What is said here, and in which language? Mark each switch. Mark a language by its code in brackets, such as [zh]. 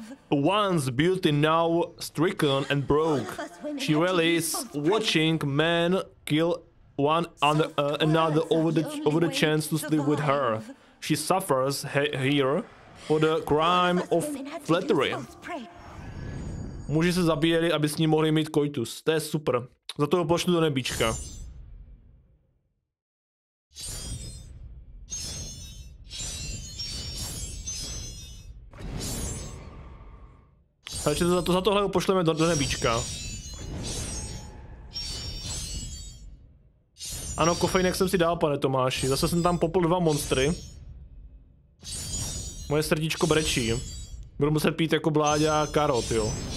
[en] Once beauty now stricken and broke. She really is watching men kill one another over the chance to sleep with her. She suffers here for the crime of flattery. [cs] Muži se zabíjeli, aby s ním mohli mít koitus. To je super. Za to ho pošlu do nebíčka. Takže za tohle ho pošleme do nebíčka. Ano, kofejnek jsem si dal, pane Tomáši. Zase jsem tam popl dva monstry. Moje srdíčko brečí. Budu muset pít jako Bláďa karot, jo.